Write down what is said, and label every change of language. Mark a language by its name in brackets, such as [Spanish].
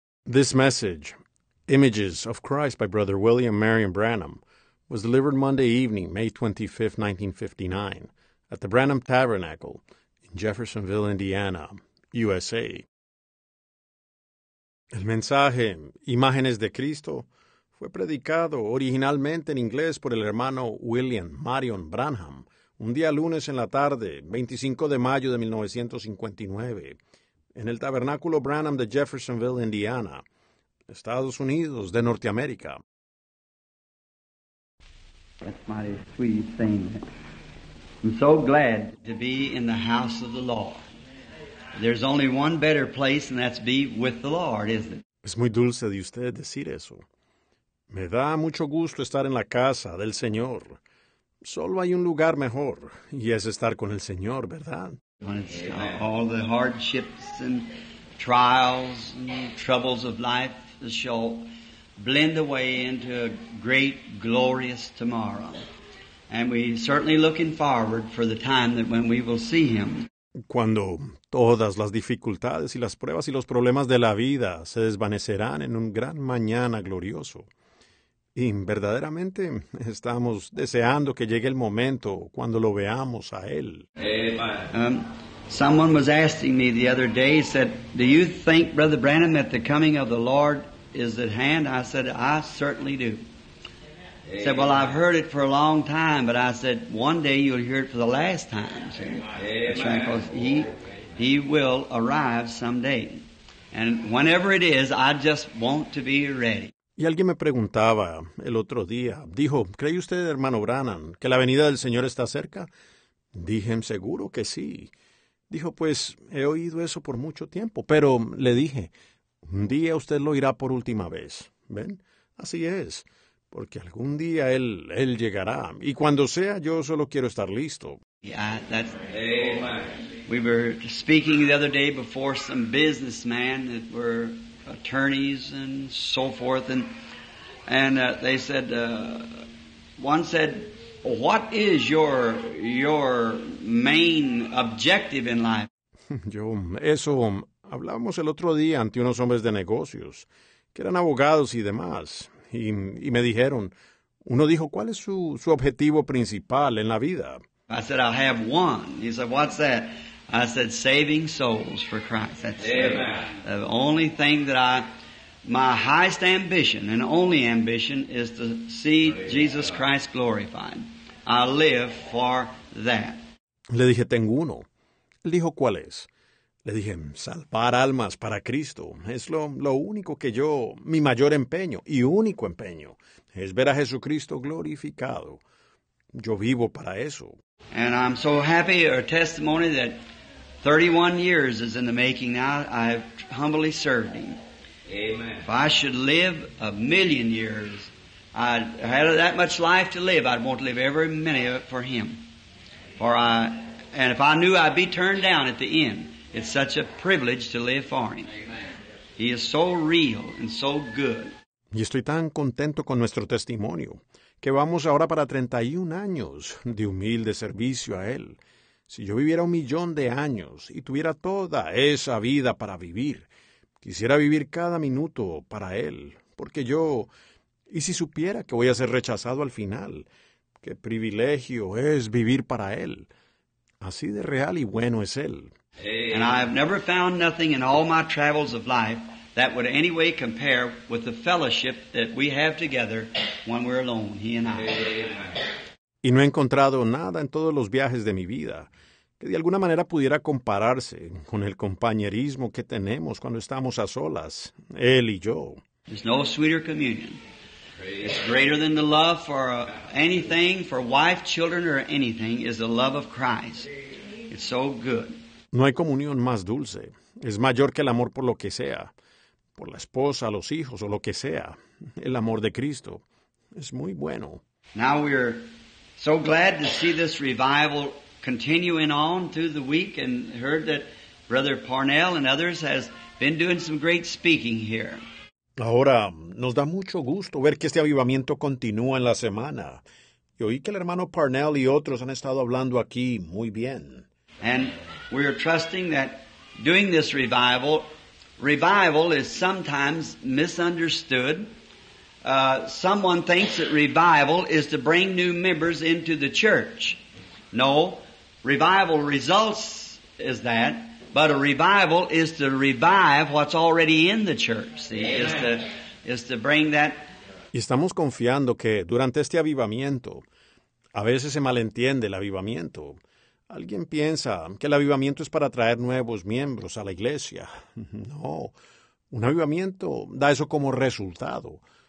[English] This message, Images of Christ by Brother William Marrion Branham, was delivered Monday evening, May 25, 1959, at the Branham Tabernacle in Jeffersonville, Indiana, USA. [Spanish] El mensaje, Imágenes de Cristo, fue predicado originalmente en inglés por el hermano William Marrion Branham, un día lunes en la tarde, 25 de mayo de 1959, en el Tabernáculo Branham de Jeffersonville, Indiana, Estados Unidos de Norteamérica. [English] That's my sweet thing. I'm so glad to be in the house of the Lord. There's only one better place, and that's be with the Lord, isn't it? [Spanish] Es muy dulce de usted decir eso. Me da mucho gusto estar en la casa del Señor. Solo hay un lugar mejor, y es estar con el Señor, ¿verdad? [English] When it's all the hardships and trials and troubles of life shall blend away into a great, glorious tomorrow. And we're certainly looking forward for the time that when we will see Him. [Spanish] Cuando todas las dificultades y las pruebas y los problemas de la vida se desvanecerán en un gran mañana glorioso. Y verdaderamente estamos deseando que llegue el momento cuando lo veamos a Él. [English] Someone was asking me the other day, said, do you think, Brother Branham, that the coming of the Lord is at hand? I said, I certainly do. He said, well, I've heard it for a long time, but I said, one day you'll hear it for the last time. That's right, because he will arrive someday. And whenever it is, I just want to be ready. [Spanish] Y alguien me preguntaba el otro día, dijo, ¿cree usted, hermano Branham, que la venida del Señor está cerca? Dije, seguro que sí. Dijo, pues, he oído eso por mucho tiempo, pero le dije, un día usted lo oirá por última vez. ¿Ven? Así es, porque algún día él llegará, y cuando sea, yo solo quiero estar listo. [English] We were speaking the other day before some businessmen that were attorneys and so forth, and they said, one said, what is your main objective in life? [Spanish] Yo, eso, hablamos el otro día ante unos hombres de negocios, que eran abogados y demás, y me dijeron, uno dijo, ¿cuál es su objetivo principal en la vida? [English] I said, I have one. He said, what's that? I said, saving souls for Christ. That's the only thing that my highest ambition and only ambition is to see Jesus Christ glorified. I live for that. [Spanish] Le dije, tengo uno. Él dijo, ¿cuál es? Le dije, salvar almas para Cristo. Es lo único que yo, mi mayor empeño y único empeño, es ver a Jesucristo glorificado. Yo vivo para eso. [English] And I'm so happy, a testimony that 31 years is in the making now. I have humbly served Him. Amen. If I should live a million years, I'd had that much life to live, I'd want to live every minute of it for Him. And if I knew I'd be turned down at the end, it's such a privilege to live for Him. Amen. He is so real and so good. [Spanish] Y estoy tan contento con nuestro testimonio que vamos ahora para 31 años de humilde servicio a Él. Si yo viviera un millón de años y tuviera toda esa vida para vivir, quisiera vivir cada minuto para Él, porque yo, y si supiera que voy a ser rechazado al final, qué privilegio es vivir para Él. Así de real y bueno es Él. [English] And I have never found nothing in all my travels of life that would any way compare with the fellowship that we have together when we're alone, He and I. [Spanish] Y no he encontrado nada en todos los viajes de mi vida que de alguna manera pudiera compararse con el compañerismo que tenemos cuando estamos a solas, él y yo. [English] There's no sweeter communion. It's greater than the love for anything, for wife, children, or anything, is the love of Christ. It's so good. [Spanish] No hay comunión más dulce. Es mayor que el amor por lo que sea, por la esposa, los hijos, o lo que sea. El amor de Cristo es muy bueno. [English] Now we're so glad to see this revival continuing on through the week, and heard that Brother Parnell and others has been doing some great speaking here. [Spanish] Ahora, nos da mucho gusto ver que este avivamiento continúa en la semana. Y oí que el hermano Parnell y otros han estado hablando aquí muy bien. [English] And we are trusting that doing this revival Revival is sometimes misunderstood. Someone thinks that revival is to bring new members into the church. No, revival results is that, but a revival is to revive what's already in the church. See, is to bring that. [Spanish] Estamos confiando que durante este avivamiento, a veces se malentiende el avivamiento. Alguien piensa que el avivamiento es para traer nuevos miembros a la iglesia. No, un avivamiento da eso como resultado.